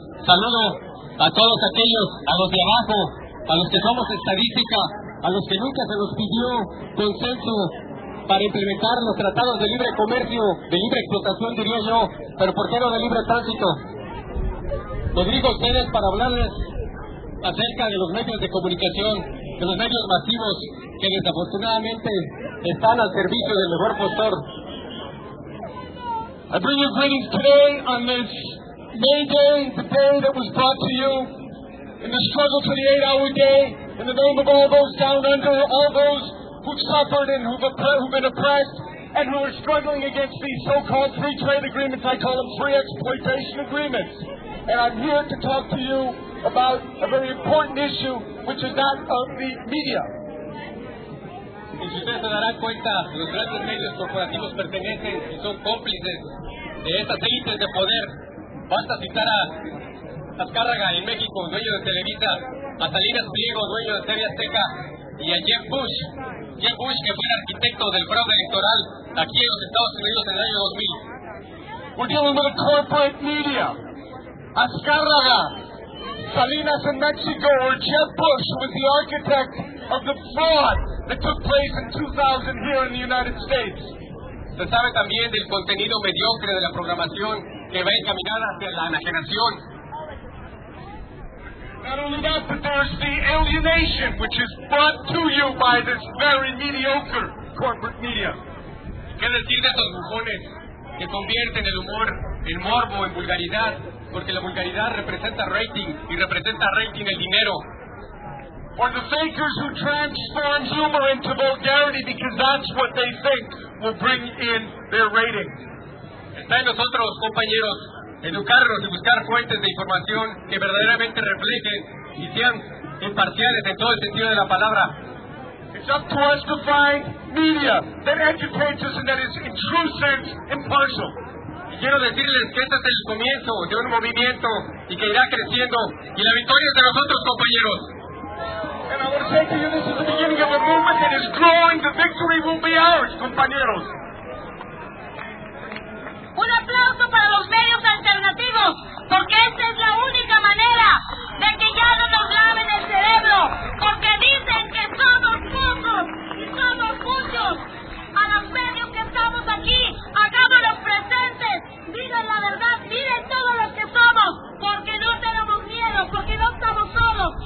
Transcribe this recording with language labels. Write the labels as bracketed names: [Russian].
[Spanish] Saludo a todos aquellos, a los de abajo, a los que somos estadística, a los que nunca se nos pidió consenso para implementar los tratados de libre comercio, de libre explotación, diría yo, pero ¿por qué no de libre tránsito? Lo digo a ustedes para hablarles acerca de los medios de comunicación, de los medios masivos, que desafortunadamente están al servicio del mejor postor. [English] I bring you greetings today on this May Day, the day that was brought to you in the struggle for the 8-hour day, in the name of all those down under, all those who've suffered and who've been oppressed and who are struggling against these so-called free trade agreements. I call them free exploitation agreements. And I'm here to talk to you about a very important issue, which is that of the media. [Spanish] Y si ustedes se darán cuenta, los grandes medios corporativos pertenecen y son cómplices de estas élites de poder. Basta citar a Azcárraga en México, dueño de Televisa, a Salinas Pliego, dueño de TV Azteca, y a Jeb Bush, que fue el arquitecto del fraude electoral aquí en los Estados Unidos en el año 2000. [English] We're dealing with corporate media. Azcárraga, Salinas in Mexico, or Jeb Bush, who was the architect of the fraud that took place in 2000 here in the United States. [Spanish] Se sabe también del contenido mediocre de la programación que va encaminada hacia la enajenación. [English] Not only that, but there's the alienation which is brought to you by this very mediocre corporate media. [Spanish] ¿Qué decir de estos bufones que convierten el humor en morbo, en vulgaridad, porque la vulgaridad representa rating y representa rating el dinero? [English] Or the fakers who transform humor into vulgarity because that's what they think will bring in their rating. [Spanish] Está en nosotros, compañeros, educarnos y buscar fuentes de información que verdaderamente reflejen y sean imparciales en todo el sentido de la palabra. [English] It's up to us to find media that educates us and that is in true sense impartial. [Spanish] Quiero decirles que este es el comienzo de un movimiento y que irá creciendo, y la victoria es de nosotros, compañeros. [English] And I want to say to you, this is the beginning of a movement that is growing. The victory will be ours, compañeros. [Spanish] Un aplauso para los medios alternativos, porque esta es la única manera de que ya no nos laven el cerebro, porque dicen que somos pocos y somos muchos. A los medios que estamos aquí, hagamos los presentes, digan la verdad, miren todos los que somos, porque no tenemos miedo, porque no estamos solos.